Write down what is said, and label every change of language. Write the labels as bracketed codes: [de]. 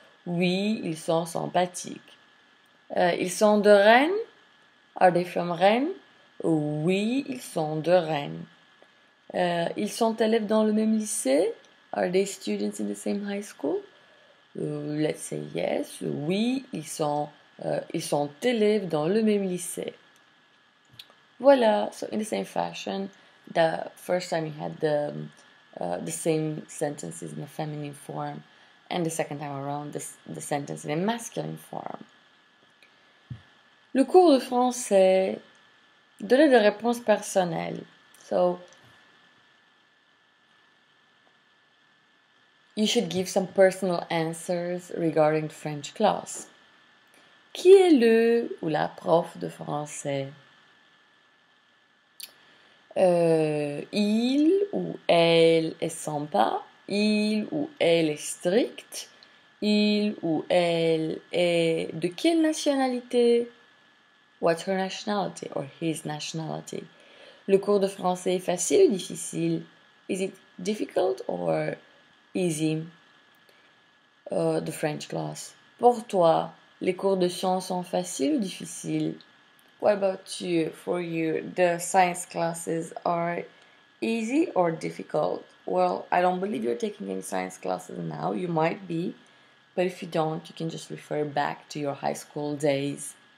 [fr] Oui, ils sont sympathiques. Ils sont de Rennes? [en] Are they from Rennes? [fr] Oui, ils sont de Rennes. Ils sont élèves dans le même lycée? [en] Are they students in the same high school? Let's say yes. [fr] Oui, ils sont élèves dans le même lycée. [en] Voilà, so in the same fashion, the first time you had the same sentences in a feminine form. And the second time around, the sentence in a masculine form. [fr] Le cours de français. Donnez des réponses personnelles. [en] So, you should give some personal answers regarding the French class. [fr] Qui est le ou la prof de français? Il ou elle est sympa. Il ou elle est strict. Il ou elle est de quelle nationalité? [en] What's her nationality or his nationality? [fr] Le cours de français est facile ou difficile? [en] Is it difficult or easy? The French class. [fr] Pour toi, les cours de sciences sont faciles ou difficiles? [en] What about you? For you, the science classes are easy or difficult? Well, I don't believe you're taking any science classes now. You might be. But if you don't, you can just refer back to your high school days.